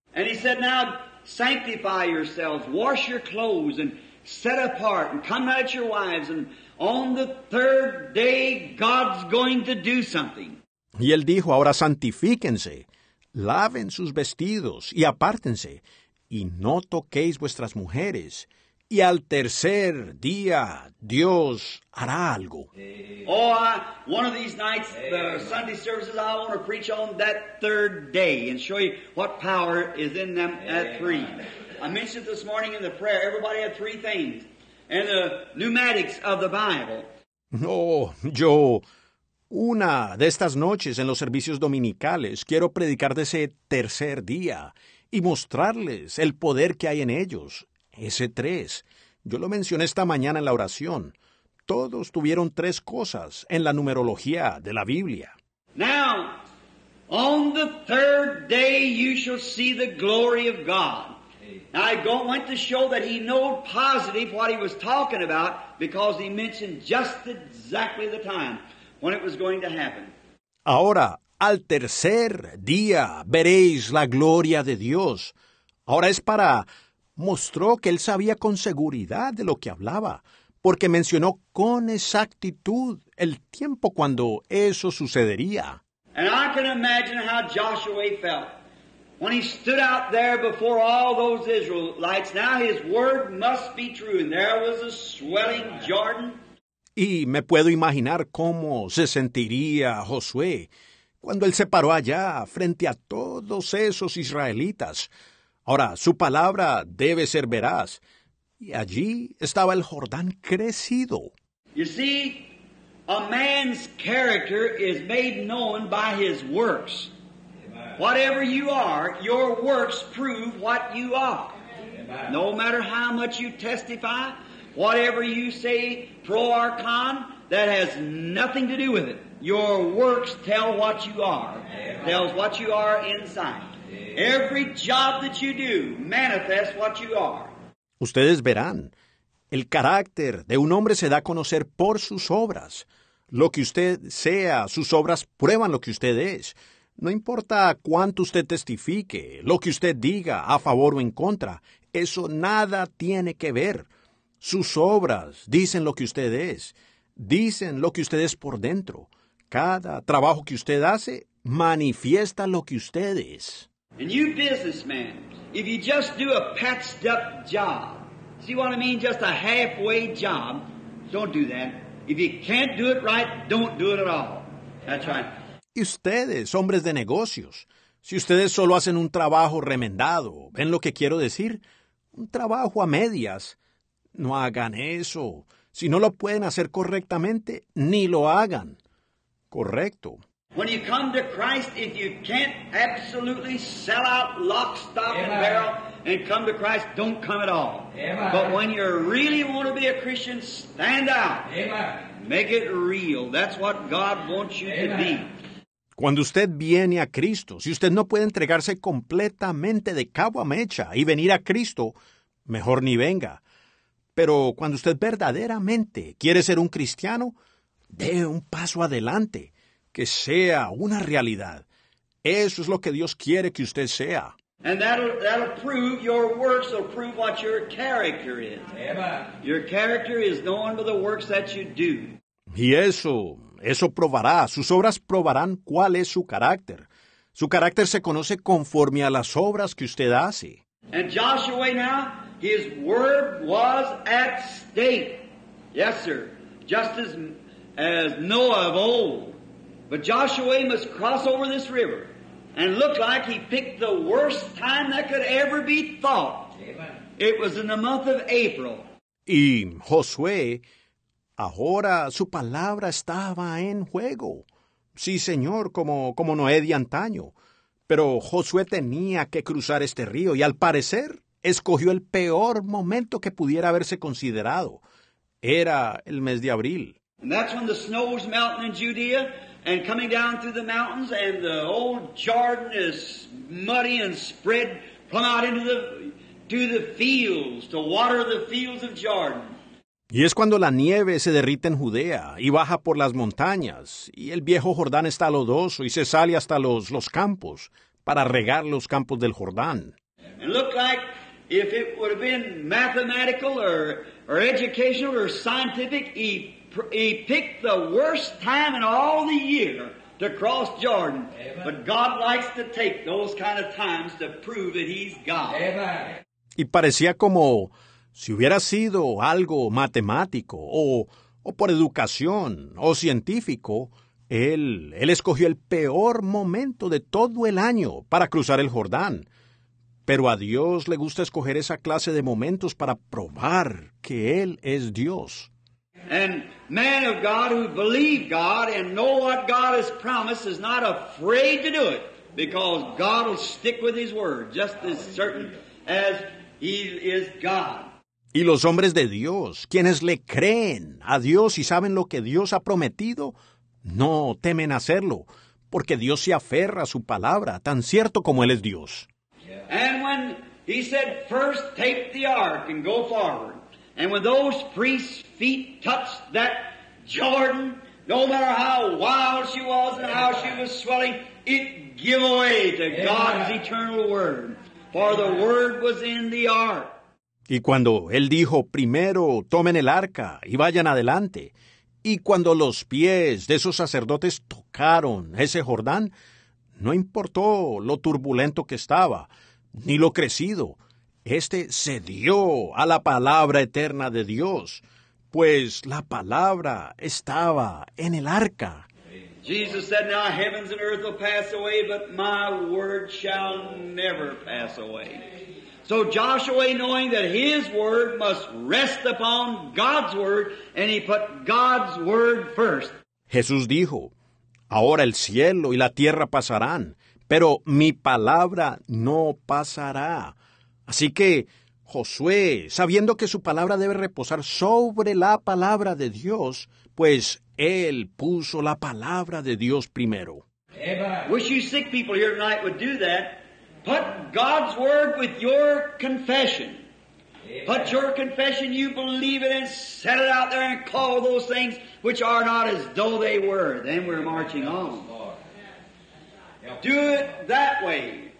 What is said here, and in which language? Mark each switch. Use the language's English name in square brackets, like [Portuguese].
[English] And he said, now sanctify yourselves, wash your clothes, and set apart, and come out your wives, and on the third day God's going to do something. [Spanish] Y él dijo, ahora santifíquense, laven sus vestidos, y apártense, y no toquéis vuestras mujeres, y al tercer día Dios hará algo. [English] Oh, one of these nights, the Sunday services, I want to preach on that third day and show you what power is in them at three. I mentioned this morning in the prayer, everybody had three things, and the pneumatics of the Bible. [Spanish] Oh, yo, una de estas noches en los servicios dominicales, quiero predicar de ese tercer día y mostrarles el poder que hay en ellos. Ese tres. Yo lo mencioné esta mañana en la oración. Todos tuvieron tres cosas en la numerología de la Biblia. [English] Now, on the third day you shall see the glory of God. Now, I went to show that he knew positive what he was talking about because he mentioned just exactly the time when it was going to happen. [Spanish] Ahora, al tercer día veréis la gloria de Dios. Ahora es para... Mostró que él sabía con seguridad de lo que hablaba, porque mencionó con exactitud el tiempo cuando eso sucedería. [English] And I can imagine how Joshua felt when he stood out there before all those Israelites. Now his word must be true, and there was a swelling Jordan. [Spanish] Y me puedo imaginar cómo se sentiría Josué cuando él se paró allá frente a todos esos israelitas. Ahora, su palabra debe ser veraz. Y allí estaba el Jordán crecido. [English] You see, a man's character is made known by his works. Whatever you are, your works prove what you are. No matter how much you testify, whatever you say, pro or con, that has nothing to do with it. Your works tell what you are. Amen. Tells what you are inside. Amen. Every job that you do manifests what you are. [Spanish] Ustedes verán, el carácter de un hombre se da a conocer por sus obras. Lo que usted sea, sus obras prueban lo que usted es. No importa cuánto usted testifique, lo que usted diga a favor o en contra, eso nada tiene que ver. Sus obras dicen lo que usted es, dicen lo que usted es por dentro. Cada trabajo que usted hace manifiesta lo que usted es. [English] And you businessmen, if you just do a patched up job, see what I mean? Just a halfway job, don't do that. If you can't do it right, don't do it at all. That's right. [Spanish] Y ustedes, hombres de negocios, si ustedes solo hacen un trabajo remendado, ¿ven lo que quiero decir? Un trabajo a medias. No hagan eso. Si no lo pueden hacer correctamente, ni lo hagan. Correcto. [English] When you come to Christ, if you can't absolutely sell out lock, stock, and barrel and come to Christ, don't come at all. Amen. But when you really want to be a Christian, stand out. Amen. Make it real. That's what God wants you Amen. To be. [Spanish] Cuando usted viene a Cristo, si usted no puede entregarse completamente de cabo a mecha y venir a Cristo, mejor ni venga. Pero cuando usted verdaderamente quiere ser un cristiano, dé un paso adelante. Que sea una realidad. Eso es lo que Dios quiere que usted sea. [English] And that'll prove your works will prove what your character is. Amen. Your character is known by the works that you do. [Spanish] Y eso probará. Sus obras probarán cuál es su carácter. Su carácter se conoce conforme a las obras que usted hace. [English] And Joshua now, his word was at stake. Yes, sir. Just as Noah of old. But Joshua must cross over this river and look like he picked the worst time that could ever be thought. Amen. It was in the month of April. [Spanish] Y Josué, ahora su palabra estaba en juego. Sí, señor, como Noé de antaño. Pero Josué tenía que cruzar este río y al parecer escogió el peor momento que pudiera haberse considerado. Era el mes de abril. [English] And that's when the snow was melting in Judea. And coming down through the mountains, and the old Jordan is muddy and spread plumb out into the fields, to water the fields of Jordan. [Spanish] Y es cuando la nieve se derrite en Judea, y baja por las montañas, y el viejo Jordán está lodoso, y se sale hasta los campos, para regar los campos del Jordán. [English] And look like if it would have been mathematical, or educational, or scientific, He picked the worst time in all the year to cross Jordan. Amen. But God likes to take those kind of times to prove that He's God. Amen. [Spanish] Y parecía como si hubiera sido algo matemático o por educación o científico, él escogió el peor momento de todo el año para cruzar el Jordán. Pero a Dios le gusta escoger esa clase de momentos para probar que Él es Dios. [English] And man of God who believe God and know what God has promised is not afraid to do it because God will stick with His word just as certain as He is God. [Spanish] Y los hombres de Dios, quienes le creen a Dios y saben lo que Dios ha prometido, no temen hacerlo porque Dios se aferra a su palabra tan cierto como Él es Dios. [English] Yeah. And when He said, first take the ark and go forward. And when those priests' feet touched that Jordan, no matter how wild she was and how she was swelling, it gave away to Amen. God's eternal word. For the word was in the ark. [Spanish] Y cuando él dijo, primero tomen el arca y vayan adelante. Y cuando los pies de esos sacerdotes tocaron ese Jordán, no importó lo turbulento que estaba, ni lo crecido. Este cedió a la palabra eterna de Dios, pues la palabra estaba en el arca. [English] Jesus said, now heavens and earth will pass away, but my word shall never pass away. So Joshua, knowing that his word must rest upon God's word, and he put God's word first. [Spanish] Jesús dijo, ahora el cielo y la tierra pasarán, pero mi palabra no pasará. Así que Josué, sabiendo que su palabra debe reposar sobre la palabra de Dios, pues él puso la palabra de Dios primero. [English] Wish you sick people here tonight would do that. Put God's word with your confession. Put your confession, you believe it, and set it out there and call those things which are not as though they were. Then we're marching on. Do it that way.